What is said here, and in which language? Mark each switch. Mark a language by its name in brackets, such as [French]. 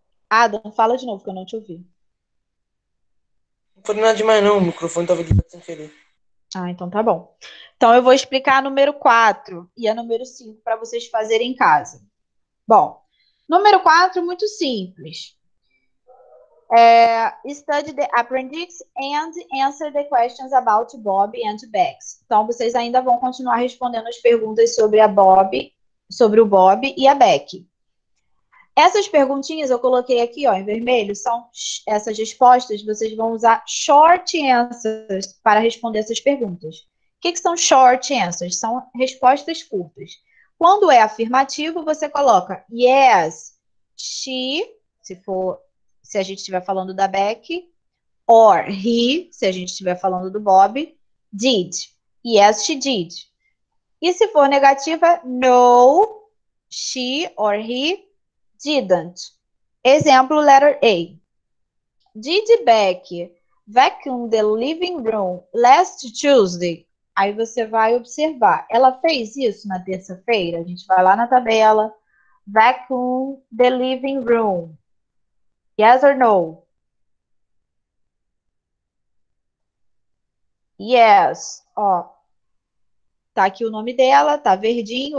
[Portuguese] Adam, fala de novo que eu não te ouvi. Não foi nada demais não, o microfone estava ligado sem querer. Ah, então tá bom. Então eu vou explicar a número 4 e a número 5 para vocês fazerem em casa. Bom, número 4, muito simples. [English] Study the appendix and answer the questions about Bob and Bex. [Portuguese] Então vocês ainda vão continuar respondendo as perguntas sobre a Bob, sobre o Bob e a Beck. Essas perguntinhas eu coloquei aqui, ó, em vermelho, são essas respostas, vocês vão usar short answers para responder essas perguntas. O que são short answers? São respostas curtas. Quando é afirmativo, você coloca yes, she, se a gente estiver falando da Beck, or he, se a gente estiver falando do Bob, did, [English] yes, she did. [Portuguese] E se for negativa, [English] no, she or he didn't. [Portuguese] Exemplo, letter A. [English] Did Beck vacuum the living room last Tuesday? [Portuguese] Aí você vai observar. Ela fez isso na terça-feira? A gente vai lá na tabela. [English] Vacuum the living room. Yes or no? [Portuguese] Yes. Ó, tá aqui o nome dela, tá verdinho.